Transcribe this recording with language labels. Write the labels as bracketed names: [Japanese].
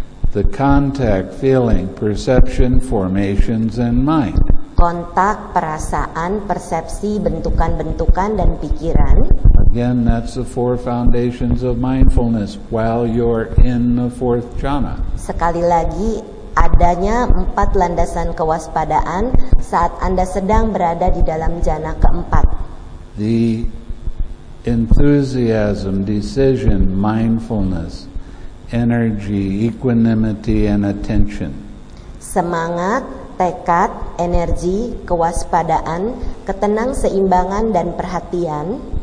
[English] The contact, feeling, perception, formations, and mind. [Indonesian] Kontak, perasaan, persepsi, bentukan-bentukan, dan pikiran. [English] Again, that's the four foundations of mindfulness while you're in the fourth jhana. [Indonesian] Sekali lagi, adanya empat landasan kewaspadaan saat Anda sedang berada di dalam jhana keempat. [English] The enthusiasm, decision, mindfulness, energy, equanimity, and attention. [Indonesian] Semangat, tekad, energi, kewaspadaan, ketenang seimbangan, dan perhatian.